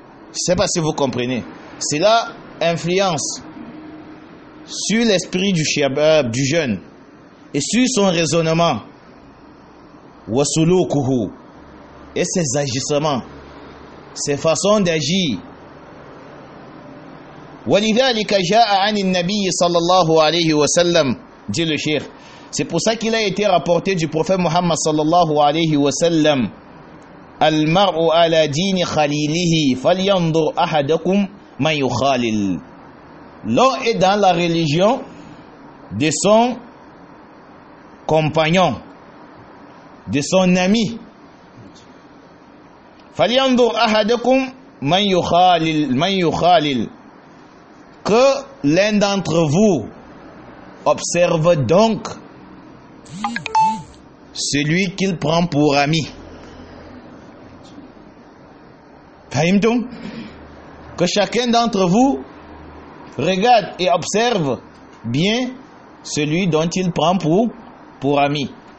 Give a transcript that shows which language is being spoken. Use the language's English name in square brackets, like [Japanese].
[French] Je ne sais pas si vous comprenez. Cela influence sur l'esprit du شباب, du jeune. et suit son raisonnement, wasulukuhu, et ses agissements, ses façons d'agir. [Arabic] ولذلك جاء عن النبي صلى الله عليه وسلم [French] dit le cheikh. C'est pour ça qu'il a été rapporté du prophète Mohammed [Arabic] صلى الله عليه وسلم. المرء على دين خليله فلينظر أحدكم من يخالل. [French] L'homme est dans la religion de son compagnon, de son ami. [Arabic] فلينظر أحدكم من يخالل من يخالل. [French] Que l'un d'entre vous observe donc celui qu'il prend pour ami. Fahimtum? Que chacun d'entre vous regarde et observe bien celui dont il prend pour ami.